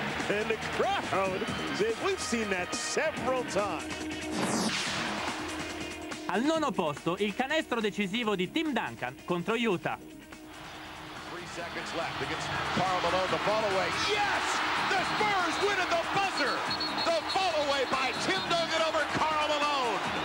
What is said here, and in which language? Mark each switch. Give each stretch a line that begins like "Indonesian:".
English: And the crowd says we've seen that several times.
Italian: Al nono posto il canestro decisivo di Tim Duncan contro Utah.
English: 3 seconds left against Karl Malone, the fall away. Yes! The Spurs win at the buzzer! The fall away by Tim Duncan over Karl Malone!